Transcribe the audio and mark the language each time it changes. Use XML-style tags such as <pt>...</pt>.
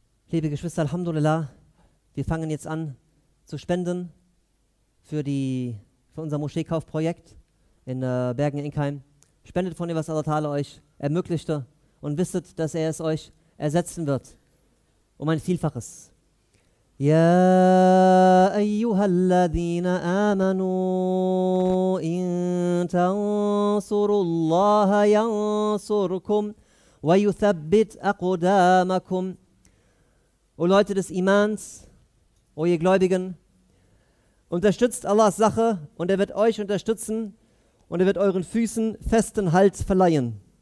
<de>Liebe Geschwister, Alhamdulillah, wir fangen jetzt an zu spenden für unser Moscheekaufprojekt in Bergen Enkheim. Spendet von dem, was Allah Ta'ala euch ermöglichte und wisset, dass er es euch ersetzen wird um ein Vielfaches.</de> <ar>يا أيها الذين آمنوا إن تنصروا الله ينصركم ويثبت أقدامكم.</ar> <de>O Leute des Imans, o ihr Gläubigen, unterstützt Allahs Sache und er wird euch unterstützen und er wird euren Füßen festen Halt verleihen.</de>